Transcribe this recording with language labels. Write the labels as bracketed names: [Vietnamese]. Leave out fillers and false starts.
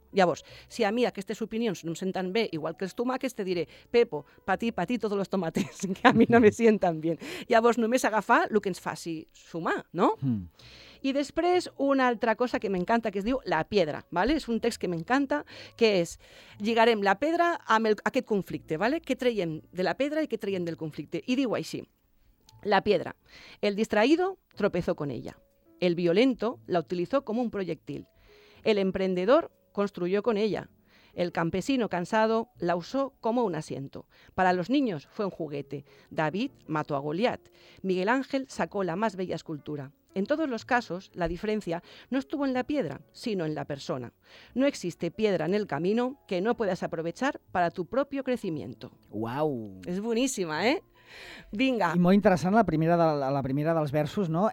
[Catalan] Llavors, si a mi aquestes opinions no em senten bé, igual que els tomàquets, te diré, Pepo, patí tots els tomàquets, que a mi no me senten bé. Llavors, només agafar el que ens faci sumar, no? Mm. I després, una altra cosa que m'encanta, que es diu [Spanish] la piedra, [Catalan] ¿vale? És un text que m'encanta, que és, lligarem la pedra amb aquest conflicte, ¿vale? Què traiem de la pedra i què traiem del conflicte? I diu així, [Spanish] la piedra, el distraído tropezó con ella, el violento la utilizó com un proyectil, el emprendedor construyó con ella. El campesino cansado la usó como un asiento. Para los niños fue un juguete. David mató a Goliat. Miguel Ángel sacó la más bella escultura. En todos los casos, la diferencia no estuvo en la piedra, sino en la persona. No existe piedra en el camino que no puedas aprovechar para tu propio crecimiento. Wow. Es buenísima, ¿eh? Vinga. [Catalan] I molt interessant la primera dels versos, no?